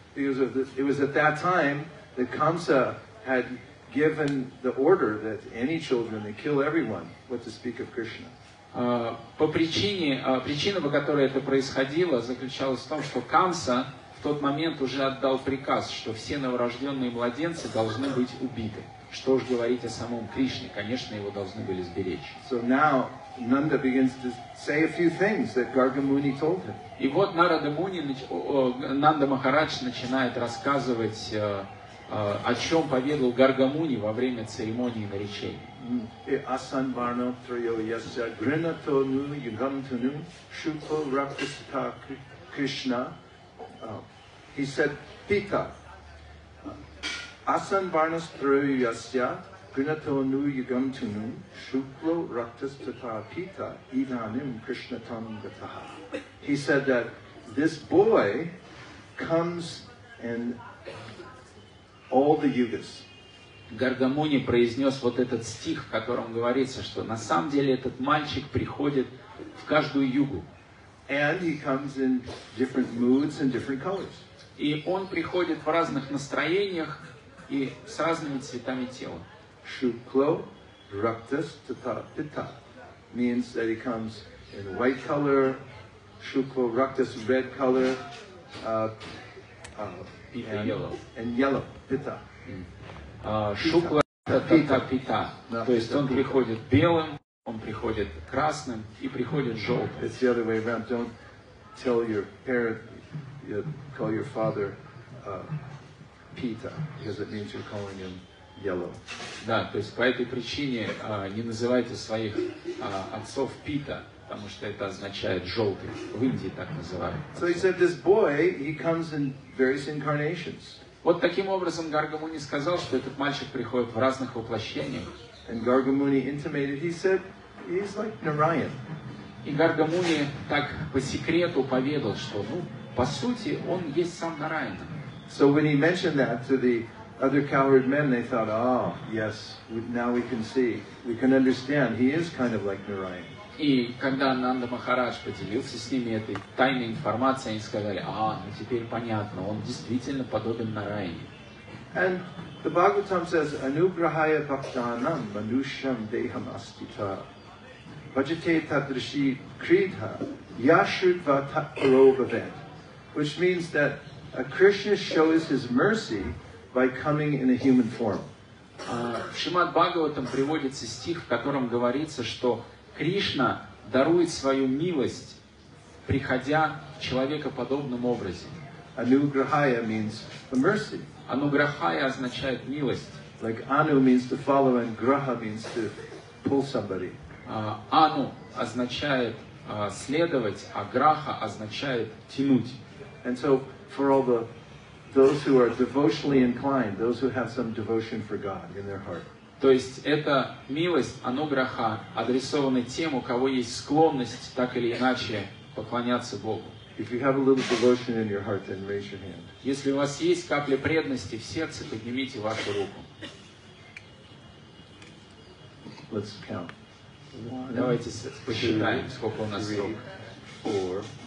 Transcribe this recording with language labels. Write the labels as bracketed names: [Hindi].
[English] It was at that time that Kamsa had given the order that any children, they kill everyone, what to speak of Krishna. [Russian] По причине, причина, по которой это происходило, заключалась в том, что Камса в тот момент уже отдал приказ, что все новорожденные младенцы должны быть убиты. Что уж говорить о самом Кришне, конечно, его должны были сберечь. [English] So now Nanda begins to say a few things that Garga Muni told him. [Russian] И вот Нанда Махарадж начинает рассказывать, о чем поведал Гарга Муни во время церемонии наречения. [Sanskrit] Асан варно трио яся грина тону югам тону шупо рактисита Кришна. [English] He said, [Sanskrit] Pita. Asan varnas truyasya gunato nu yugam tunu shuklo raktas tata pita idanim krishna tam gataha. [English] He said that this boy comes in all the yugas. [Russian] Гарга Муни произнес вот этот стих, в котором говорится, что на самом деле этот мальчик приходит в каждую югу. [English] And he comes in different moods and different colors. [Russian] И он приходит в разных настроениях и с разными цветами тела. [Sanskrit] Shuklo raktas tatha pitta [English] means that he comes in white color, [Sanskrit] shuklo raktas [English] red color, and yellow [Sanskrit] pitta. Shuklo raktas pitta. [Russian] То есть он приходит белым. Он приходит красным и приходит желтым. [English] It's the other way around. Don't tell your parent, you call your father Pita, because it means you're calling him yellow. [Russian] Да, то есть по этой причине не называйте своих отцов Пита, потому что это означает желтый. В Индии так называют. [English] So he said, this boy, he comes in various incarnations. [Russian] Вот таким образом Гарга Муни сказал, что этот мальчик приходит в разных воплощениях. [English] And Garga Muni intimated, he said, he's like Narayan. [Russian] И Гарга Муни так по секрету поведал, что, ну, по сути, он есть сам Нараян. [English] So when he mentioned that to the other cowherd men, they thought, oh, yes, now we can see, we can understand, he is kind of like Narayan. [Russian] И когда Ананда Махарадж поделился с ними этой тайной информацией, они сказали, а, ну теперь понятно, он действительно подобен Нараяне. [English] And the Bhagavatam says, [Sanskrit] Anugrahaya Bhaktanam Manushyam Deham Astita Vajate Tadrishi Kridha Yashrutva Tatparobhavet, [English] which means that a Krishna shows his mercy by coming in a human form. [Russian] В Шримад Бхагаватам приводится стих, в котором говорится, что Кришна дарует свою милость, приходя в человекоподобном образе. [English] Anugrahaya means the mercy. [Russian] Anugrahaya означает милость. [English] Like anu means to follow and graha means to pull somebody. [Russian] Anu означает следовать, а graha означает тянуть. [English] And so for all those who are devotionally inclined, those who have some devotion for God in their heart. [Russian] То есть эта милость, anugraha, адресована тем, у кого есть склонность так или иначе поклоняться Богу. [English] If you have a little devotion in your heart, then raise your hand. [Russian] Если у вас есть капля преданности в сердце, поднимите вашу руку. [English] Let's count. [Russian] Давайте посчитаем, сколько у нас рук.